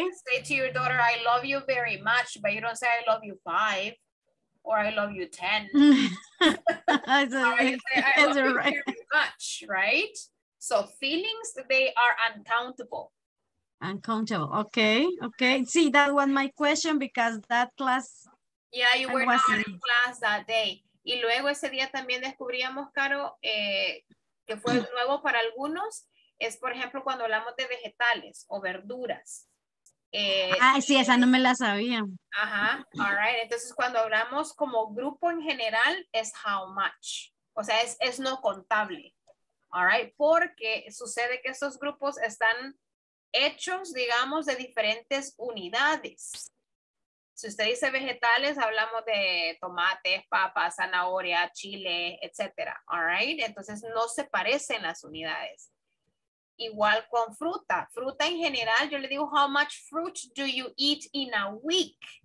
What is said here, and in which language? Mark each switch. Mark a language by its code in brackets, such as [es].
[en] You say to your daughter, I love you very much, but you don't say, I love you 5 or I love you 10. That's all right. You say, I love you right, very much, right? So feelings, they are uncountable. Uncountable. Okay. Okay. See, that was my question because that class. Yeah, you were not in class that day. [es] Y luego ese día también descubríamos, Caro, que fue nuevo para algunos, es por ejemplo cuando hablamos de vegetales o verduras. Sí, esa no me la sabía. Ajá, [en] all right. [es] Entonces cuando hablamos como grupo en general es [en] how much, [es] o sea, es no contable. All right, porque sucede que esos grupos están hechos, digamos, de diferentes unidades. Si usted dice vegetales, hablamos de tomates, papas, zanahoria, chile, etc. All right, entonces no se parecen las unidades. Igual con fruta. Fruta en general, yo le digo, [en] how much fruit do you eat in a week?